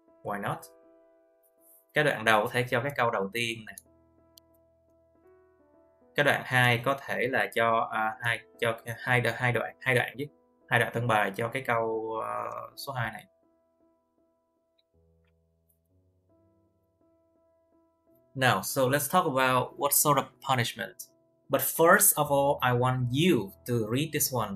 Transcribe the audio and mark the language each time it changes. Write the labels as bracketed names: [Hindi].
[English] Why not? [Vietnamese] Cái đoạn đầu có thể cho cái câu đầu tiên nè. Cái đoạn 2 có thể là cho hai đoạn chứ. Hai đoạn tân bài cho cái câu số 2 này. [English] Now, so let's talk about what sort of punishment. But first of all, I want you to read this one.